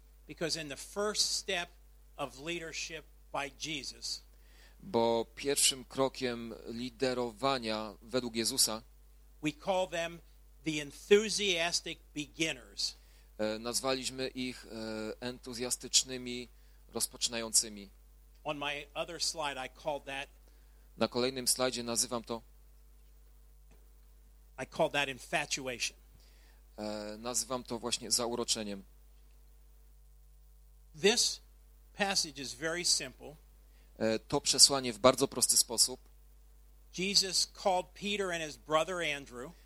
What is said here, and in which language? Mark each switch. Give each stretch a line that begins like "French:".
English: Because in the first step of leadership by Jesus,
Polish: bo pierwszym krokiem liderowania według Jezusa,
English: we call them the enthusiastic beginners.
Polish: Nazwaliśmy ich entuzjastycznymi rozpoczynającymi.
English: On my other slide I called that.
Polish: Na kolejnym slajdzie nazywam to.
English: I called that infatuation.
Polish: Nazywam to właśnie zauroczeniem.
English: This passage is very simple.
Polish: To przesłanie w bardzo prosty sposób.
English: Jesus called Peter and his brother Andrew.